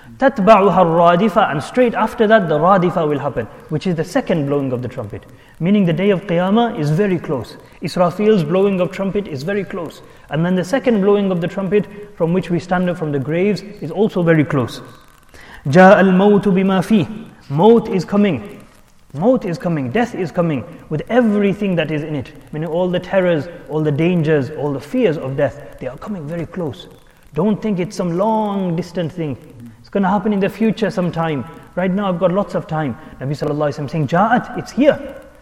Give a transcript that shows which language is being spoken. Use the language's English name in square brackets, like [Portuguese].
[Arabic] تَتْبَعُهَا الرَّادِفَةَ [English] And straight after that, the radifa will happen, which is the second blowing of the trumpet. Meaning the day of Qiyamah is very close. Israfil's blowing of trumpet is very close. And then the second blowing of the trumpet, from which we stand up from the graves, is also very close. [Arabic] جَاءَ الْمَوْتُ بِمَا فِيهِ [English] Maut is coming. Maut is coming. Death is coming with everything that is in it. Meaning all the terrors, all the dangers, all the fears of death, they are coming very close. Don't think it's some long distant thing. It's going to happen in the future sometime. Right now I've got lots of time. Nabi sallallahu alayhi wa sallam saying, Ja'at, it's here.